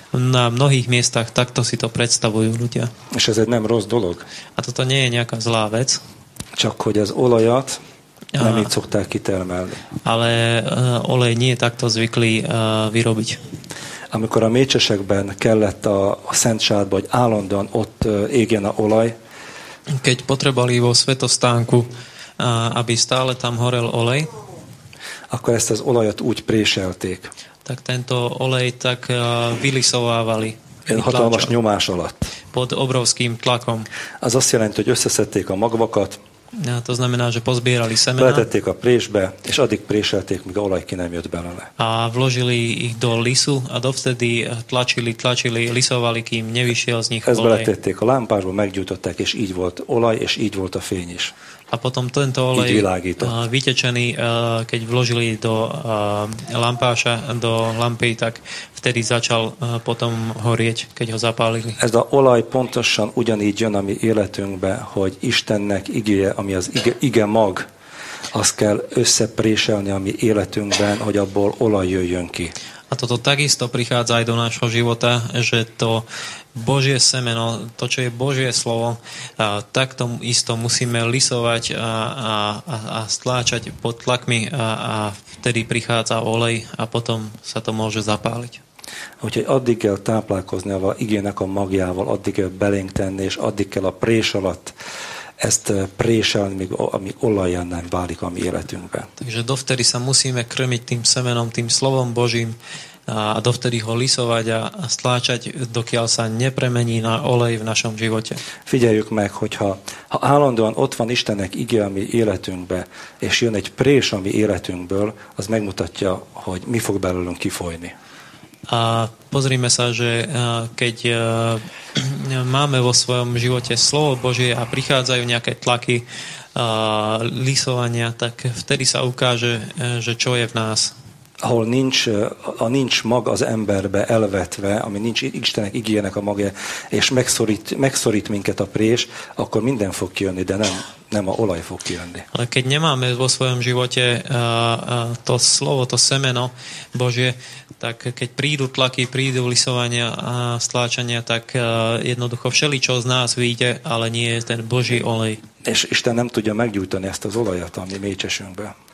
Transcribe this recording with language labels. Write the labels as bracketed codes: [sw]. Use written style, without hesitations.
[sk] Na mnohých miestach takto si to predstavujú ľudia. [hu] És ez egy nem rossz dolog. [sk] A toto nie je nejaká zlá vec. [hu] Csak hogy az olajat nem így szokták kitermelni. [sk] Ale olej nie je takto zvyklý vyrobiť. [hu] Amikor a mécsesekben kellett a Szent Sátba, hogy állandóan ott égjen a olaj. [sk] Keď potrebovali vo svetostánku, aby stále tam horel olej, [hu] akkor ezt az olajat úgy préselték. [sk] Tak tento olej tak vylisovávali. [hu] Hatalmas nyomás alatt. [sk] Pod obrovským tlakom. [hu] Az azt jelenti, hogy összeszedték a magvakat. [sk] Ja, to znamená, že pozbierali semena. [hu] Letették a présbe, és addig préselték, míg a olaj ki nem jött belőle. [sk] A vložili ich do lisu a dovtedy tlačili, lisovali, kým nevyšiel z nich olej. [hu] Ezt beletették a lámpásba, meggyújtották, és így volt olaj, és így volt a fény is. [sk] A potom tento olej vytečený, keď vložili do lampáša, do lampy, tak vtedy začal potom horieť, keď ho zapálili. [hu] Ez a olaj pontosan ugyanígy jön a mi életünkbe, hogy Istennek igéje, ami az ige mag, azt kell összepréselni a mi életünkben, hogy abból olaj jöjjön ki. [sk] A toto takisto prichádza aj do nášho života, že to Božie semeno, to, čo je Božie slovo, tak to isto musíme lisovať a stláčať pod tlakmi a vtedy prichádza olej a potom sa to môže zapáliť. [hu] Úgyhogy addig kell táplálkozni a igének a magjával, addig kell belénk tenni, és addig kell a prés alatt ezt préselni, míg ami olajján nem válik a mi életünkben. [sk] Takže dovtedy sa musíme krmiť tým semenom, tým slovom Božím, a dovtedy ho lisovať a stláčať, dokiaľ sa nepremení na olej v našom živote. [hu] Figyeljük meg, hogyha állandóan ott van Istennek ige a mi életünkbe, és jön egy prés a mi életünkből, az megmutatja, hogy mi fog belőlünk kifolyni. [sk] A pozrime sa, že keď máme vo svojom živote slovo Božie a prichádzajú nejaké tlaky lisovania, tak vtedy sa ukáže, že čo je v nás. [hu] Ahol nincs mag az emberbe elvetve, ami nincs Istennek igéjének a magja, és megszorít minket a prés, akkor minden fog kijönni, de nem a olaj fog kijönni. [sk] Ale keď nemáme vo svojom živote to slovo, to semeno Božie, tak keď prídu tlaky, prídu lisovania a stláčania, tak jednoducho všeličo z nás vyjde, ale nie je ten Boží olej. [hu] És Isten nem tudja meggyújtani ezt az olajat, ami mécsesünkbe.